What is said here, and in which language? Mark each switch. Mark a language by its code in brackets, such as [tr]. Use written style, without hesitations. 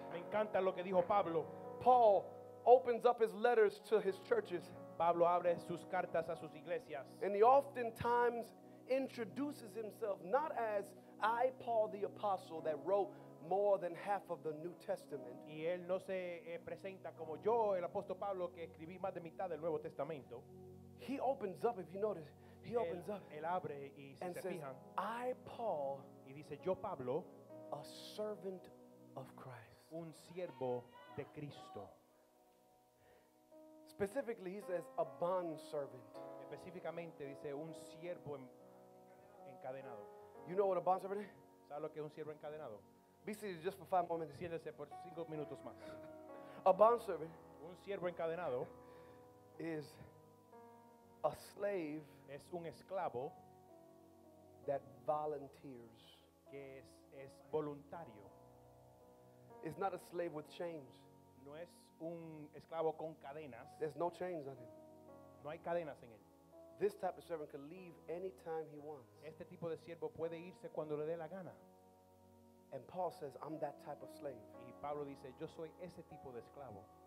[es] Me encanta lo que dijo Pablo. [en] Paul opens up his letters to his churches. [es] Pablo abre sus cartas a sus iglesias. [en] And he oftentimes introduces himself not as I, Paul the apostle, that wrote more than half of the New Testament. [es] Y él no se presenta como yo, el apóstol Pablo, que escribí más de mitad del Nuevo Testamento. [en] He opens up, if you notice, he opens up [es] el abre y [en] and [es] se [en] says, [es] fijan, [en] I, Paul, [es] y dice, yo, Pablo, [en] a servant of Christ. [es] Un siervo de Cristo. [en] Specifically, he says, a bond servant. [es] Específicamente, dice, un siervo encadenado. [en] You know what a bond servant is? [es] ¿Sabes lo que es un siervo encadenado? [en] Be seated just for 5 moments. [es] Siéntese por 5 minutos más. [en] A bond servant, [es] un siervo encadenado, [en] is a slave, [es] es un esclavo, [en] that volunteers, [es] que es voluntario. [en] Is not a slave with chains. [es] No es un esclavo con cadenas. [en] There's no chains on him. [es] No hay cadenas en él. [en] This type of servant can leave anytime he wants. [es] Este tipo de siervo puede irse cuando le dé la gana. [en] And Paul says, I'm that type of slave. [es] Y Pablo dice, yo soy ese tipo de esclavo.